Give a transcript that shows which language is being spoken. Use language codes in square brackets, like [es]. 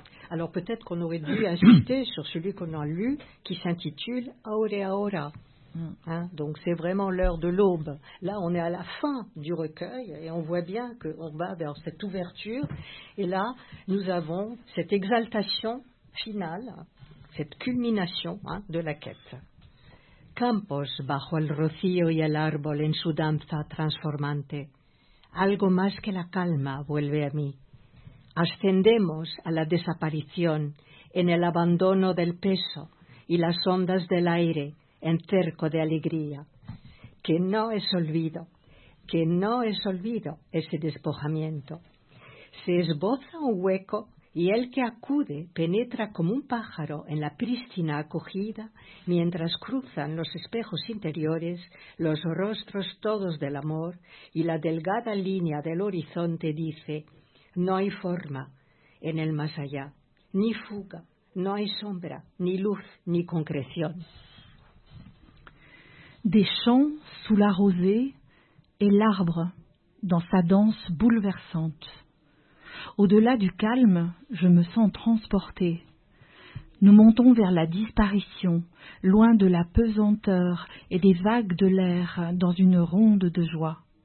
[fr] Alors peut-être qu'on aurait dû insister sur celui qu'on a lu, qui s'intitule « Aure aura ». Donc c'est vraiment l'heure de l'aube. Là, on est à la fin du recueil et on voit bien qu'on va vers cette ouverture. Et là, nous avons cette exaltation finale, cette culmination de la quête. [es] Campos bajo el rocío y el árbol en su danza transformante. Algo más que la calma vuelve a mí. Ascendemos a la desaparición en el abandono del peso y las ondas del aire. En cerco de alegría, que no es olvido ese despojamiento. Se esboza un hueco y el que acude penetra como un pájaro en la prístina acogida mientras cruzan los espejos interiores, los rostros todos del amor y la delgada línea del horizonte dice, no hay forma en el más allá, ni fuga, no hay sombra, ni luz, ni concreción. [fr] Des champs sous la rosée et l'arbre dans sa danse bouleversante. Au-delà du calme, je me sens transportée. Nous montons vers la disparition, loin de la pesanteur et des vagues de l'air dans une ronde de joie.